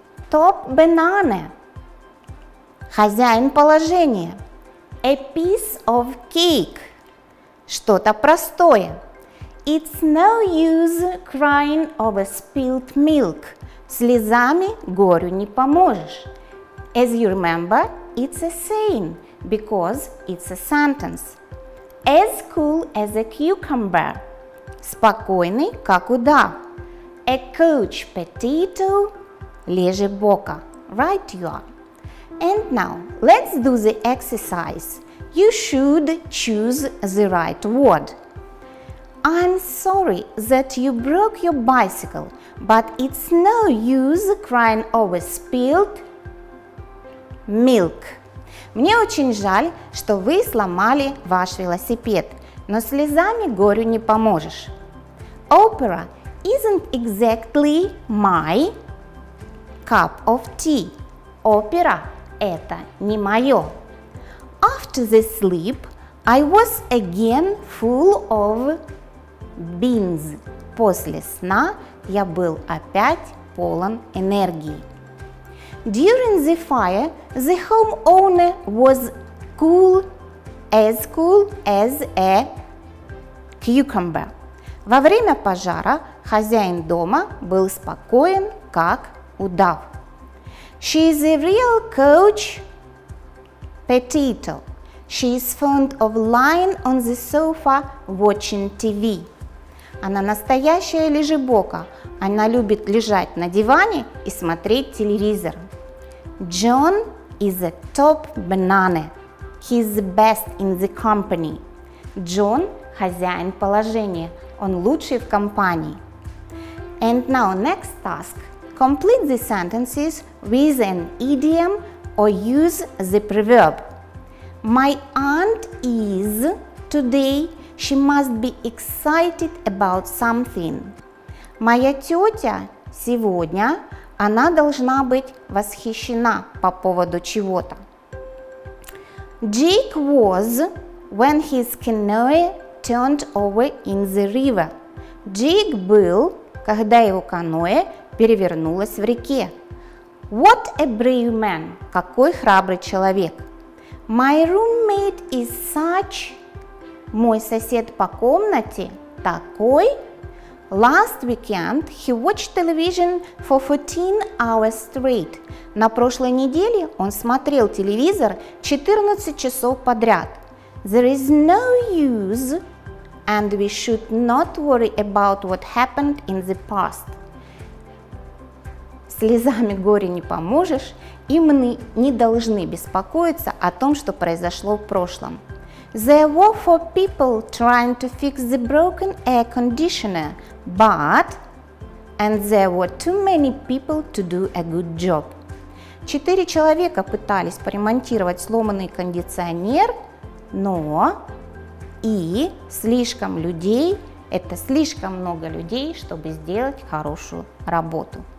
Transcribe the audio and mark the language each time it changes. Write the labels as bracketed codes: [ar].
[en] Top banana. [ru] Хозяин положения. [en] A piece of cake. [ru] Что-то простое. [en] It's no use crying over spilled milk. [ru] Слезами горю не поможешь. [en] As you remember, it's a saying because it's a sentence. As cool as a cucumber. [ru] Спокойный, как удав. [en] A couch potato. [ru] Леже бока. [en] Right you are. And now, let's do the exercise. You should choose the right word. I'm sorry that you broke your bicycle, but it's no use crying over spilled milk. [ru] Мне очень жаль, что вы сломали ваш велосипед, но слезами горю не поможешь. [en] Opera isn't exactly my cup of tea. [ru] Опера – это не мое. [en] After the sleep, I was again full of beans. [ru] После сна я был опять полон энергии. [en] During the fire, the homeowner was cool as a cucumber. [ru] Во время пожара хозяин дома был спокоен, как удав. [en] She is a real couch potato. She is fond of lying on the sofa watching TV. [ru] Она настоящая лежебока. Она любит лежать на диване и смотреть телевизор. [en] John is a top banana. He is the best in the company. [ru] John – хозяин положения. Он лучший в компании. [en] And now next task. Complete the sentences with an idiom or use the proverb. My aunt is today. She must be excited about something. [ru] Моя тетя сегодня, она должна быть восхищена по поводу чего-то. [en] Jake was when his canoe turned over in the river. [ru] Jake был, когда его каноэ перевернулось в реке. [en] What a brave man! [ru] Какой храбрый человек! [en] My roommate is such... [ru] Мой сосед по комнате такой. [en] Last weekend he watched television for 14 hours straight. [ru] На прошлой неделе он смотрел телевизор 14 часов подряд. [en] There is no use and we should not worry about what happened in the past. [ru] Слезами горе не поможешь, и мы не должны беспокоиться о том, что произошло в прошлом. [en] There were four people trying to fix the broken air conditioner, but... And there were too many people to do a good job. [ru] Четыре человека пытались поремонтировать сломанный кондиционер, но... И слишком людей, это слишком много людей, чтобы сделать хорошую работу.